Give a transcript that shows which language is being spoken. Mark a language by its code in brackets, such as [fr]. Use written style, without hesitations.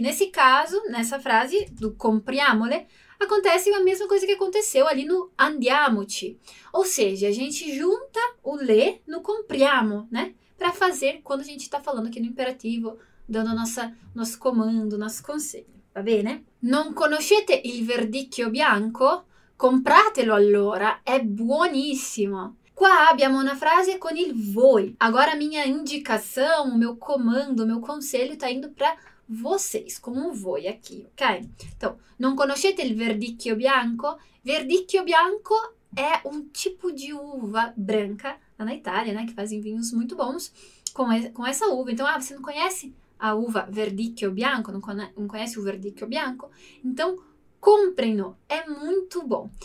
[pt] Nesse caso, nessa frase do compriamole, acontece a mesma coisa que aconteceu ali no andiamoci. Ou seja, a gente junta o le no compriamo, né? Para fazer quando a gente está falando aqui no imperativo, dando nosso comando, nosso conselho. [it] Va bene? Non conoscete il verdicchio bianco? Compratelo allora, è buonissimo! Qua abbiamo una frase con il voi. [pt] Agora minha indicação, o meu comando, o meu conselho tá indo para vocês, como voi aqui, ok? [it] Então, non conoscete il verdicchio bianco? [pt] Verdicchio bianco é um tipo de uva branca, lá na Itália, né? Que fazem vinhos muito bons com essa uva. Então, ah, você não conhece a uva verdicchio bianco? Não conhece o verdicchio bianco? Então, comprem-no, é muito bom.